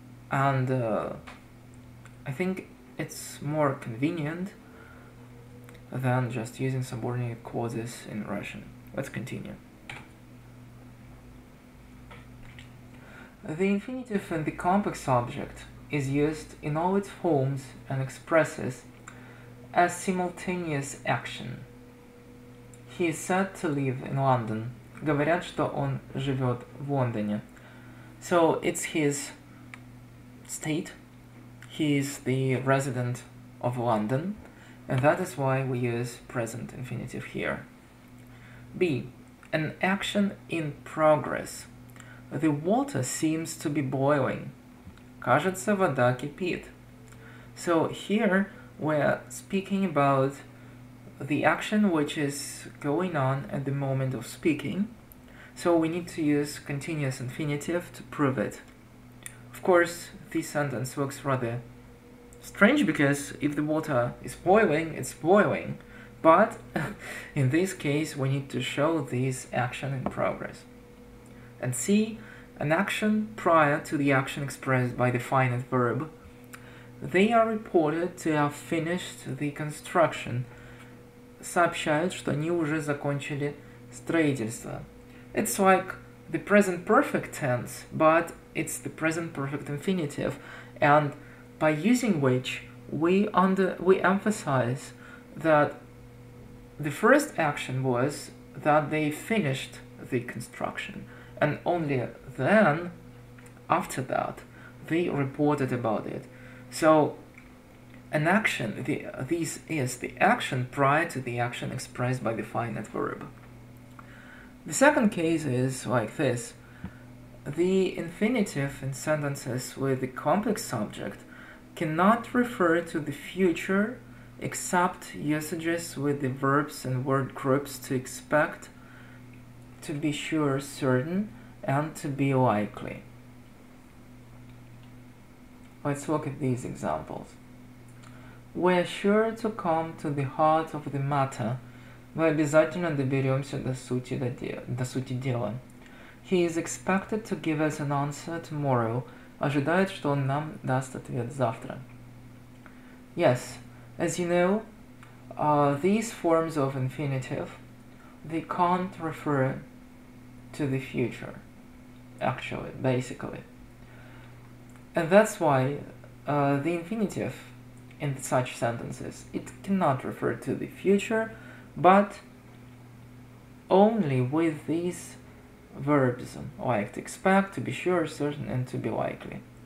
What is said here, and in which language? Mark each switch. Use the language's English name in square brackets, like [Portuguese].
[English] And I think it's more convenient than just using subordinate clauses in Russian. Let's continue. The infinitive in the compact subject is used in all its forms and expresses a simultaneous action. He is said to live in London. [Russian] Говорят, что он живет в Лондоне. [English] So it's his state. He is the resident of London, and that is why we use present infinitive here. B. An action in progress. The water seems to be boiling. [Russian] Кажется, вода кипит. [English] So here we're speaking about the action which is going on at the moment of speaking. So we need to use continuous infinitive to prove it. Of course, this sentence looks rather strange because if the water is boiling, it's boiling. But in this case, we need to show this action in progress. And C, an action prior to the action expressed by the finite verb. They are reported to have finished the construction. [Russian] Сообщают, что они уже закончили строительство. [English] It's like the present perfect tense, but it's the present perfect infinitive, and by using which we emphasize that the first action was that they finished the construction, and only then, after that, they reported about it. So, an action, this is the action prior to the action expressed by the finite verb. The second case is like this. The infinitive in sentences with the complex subject cannot refer to the future except usages with the verbs and word groups to expect, to be sure, certain, and to be likely. Let's look at these examples. We're sure to come to the heart of the matter. [Russian] Мы обязательно доберемся до сути дела. [English] He is expected to give us an answer tomorrow. [Russian] Ожидает, что он нам даст ответ завтра. [English] Yes, as you know, these forms of infinitive, they can't refer to the future, actually, basically. And that's why the infinitive in such sentences, it cannot refer to the future, but only with these verbs, like to expect, to be sure, certain, and to be likely.